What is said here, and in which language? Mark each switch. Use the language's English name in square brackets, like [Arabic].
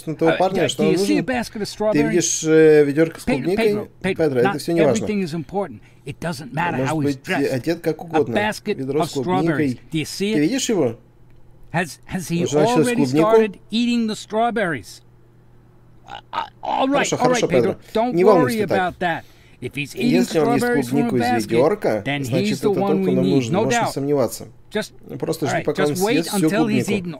[Russian] На того парня, что он нужен? Ты видишь ведерко с клубникой? Педро, это все не важно. [English] It doesn't matter how he's dressed. [Russian] Одет как угодно. Ведро с клубникой. [English] Do you see it? [Russian] Ты видишь его? [English] Has he already started eating the strawberries? [Russian] Хорошо, Педро. Не волнуйся так. [English] If he's eating strawberries from a basket, then he's the one we need. [Russian] Значит, это тот, кто нам нужен. Можешь не сомневаться. Просто жди, пока он съест всю клубнику.